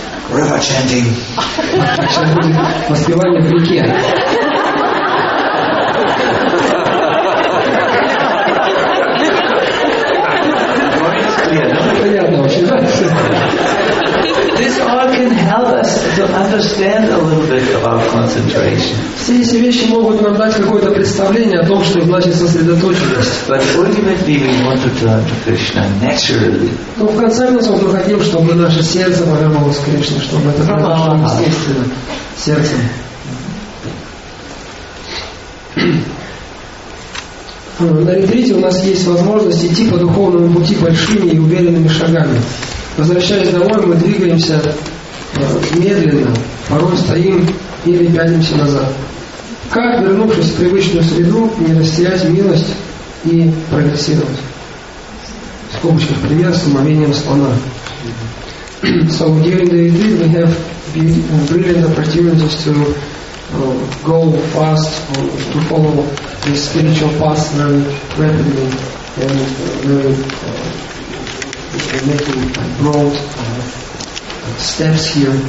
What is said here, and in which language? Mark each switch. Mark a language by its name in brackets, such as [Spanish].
[English] River chanting. [Russian] Сейчас будет воспевание в реке. Понятно, очень нравится. [English] This all can help us to understand a little bit about concentration. [Russian] Все эти вещи могут нам дать какое-то представление о том, что значит сосредоточенность. [English] But ultimately we want to turn to Krishna naturally. [Russian] Но в конце концов мы хотим, чтобы наше сердце повернулось к Кришне, чтобы это было естественно сердцем. На ретрите у нас есть возможность идти по духовному пути большими и уверенными шагами. Возвращаясь домой, мы двигаемся медленно, порой стоим или пятимся назад. Как, вернувшись в привычную среду, не растерять милость и прогрессировать? В скобочках пример с умовением слона. [English] So during the retreat we have brilliant opportunities to go fast, to follow the spiritual path very rapidly and very making broad steps here.